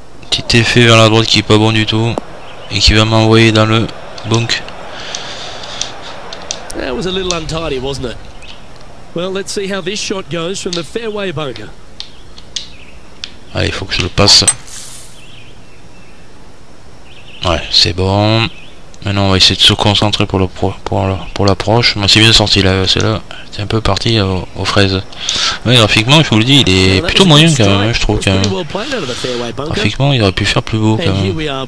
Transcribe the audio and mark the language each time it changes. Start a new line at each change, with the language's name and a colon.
French: Petit effet vers la droite qui est pas bon du tout. Et qui va m'envoyer dans le bunk.
English: That was a little untidy, wasn't it? Well, let's see how this shot goes from the fairway bunker.
French: Allez, faut que je le passe. Ouais, c'est bon. Maintenant, on va essayer de se concentrer pour l'approche. Moi, c'est bien sorti là, c'est là. C'est un peu parti aux fraises. Mais graphiquement, je vous le dis, il est plutôt moyen quand même, je trouve. Quand même. Graphiquement, il aurait pu faire plus beau quand même.